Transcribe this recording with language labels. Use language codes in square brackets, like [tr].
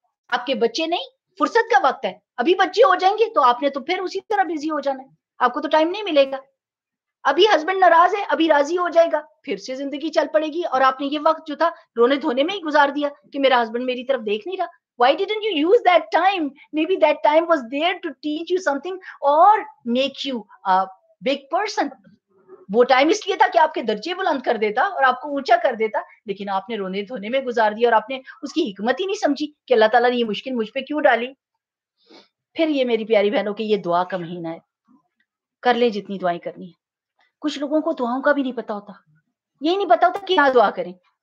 [ur] آپ کے بچے نہیں، فرصت کا وقت ہے، ابھی بچے ہو جائیں گے تو آپ نے تو پھر اسی طرح بزی ہو جانا ہے، آپ کو تو ٹائم نہیں ملے گا. ابھی ہسبینڈ ناراض ہے, ابھی راضی ہو جائے گا, پھر سے زندگی چل پڑے گی. اور آپ نے یہ وقت جو تھا رونے دھونے میں ہی گزار دیا کہ میرا ہسبینڈ میری طرف دیکھ نہیں رہا. [en] Why didn't you use that time? Maybe that time was there to teach you something or make you a big person. [ur] وہ ٹائم اس لیے تھا کہ آپ کے درجے بلند کر دیتا اور آپ کو اونچا کر دیتا, لیکن آپ نے رونے دھونے میں گزار دیا اور آپ نے اس کی حکمت ہی نہیں سمجھی کہ اللہ تعالیٰ نے یہ مشکل مجھ پہ کیوں ڈالی. پھر یہ میری پیاری بہنوں کہ یہ دعا کا مہینہ ہے, کر لیں جتنی دعائیں کرنی ہیں. کچھ لوگوں کو دعاؤں کا بھی نہیں پتا ہوتا, یہی نہیں پتا ہوتا کہ کیا دعا کریں.